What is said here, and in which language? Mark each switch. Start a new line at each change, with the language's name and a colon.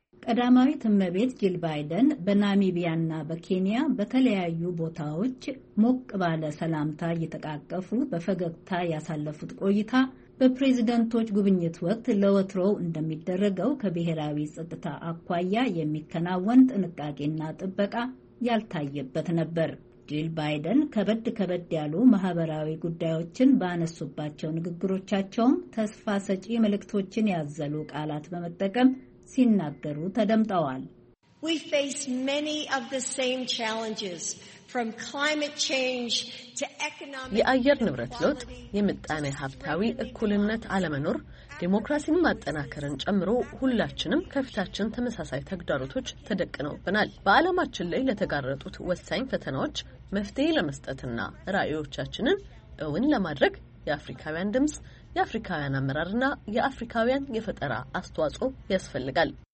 Amharic: ቀዳማዊት እመቤት ጂል ባይደን በናሚቢያና በኬንያ በተለያዩ ቦታዎች ሞቅ ባለ ሰላምታ እየተቃቀፉ በፈገግታ ያሳለፉት ቆይታ በፕሬዝደንቶች ጉብኝት ወቅት ለወትሮው እንደሚደረገው ከብሔራዊ ጸጥታ አኳያ የሚከናወን ጥንቃቄና ጥበቃ ያልታየበት ነበር። ጂል ባይደን ከበድ ያሉ ማህበራዊ ጉዳዮችን ባነሱባቸው ንግግሮቻቸውም ተስፋ ሰጪ መልእክቶችን ያዘሉ ቃላት በመጠቀም ሲናገሩ ተደምጠዋል።
English: We face many of the same challenges from climate change to economic
Amharic: የአየር ንብረት ለውጥ፣ የምጣኔ ሀብታዊ እኩልነት አለመኖር፣ ዲሞክራሲን ማጠናከርን ጨምሮ ሁላችንም ከፍታችን ተመሳሳይ ተግዳሮቶች ተደቅነውብናል። በዓለማችን ላይ ለተጋረጡት ወሳኝ ፈተናዎች መፍትሄ ለመስጠትና ራዕዮቻችንን እውን ለማድረግ የአፍሪካውያን ድምጽ፣ የአፍሪካውያን አመራርና የአፍሪካውያን የፈጠራ አስተዋጽኦ ያስፈልጋል።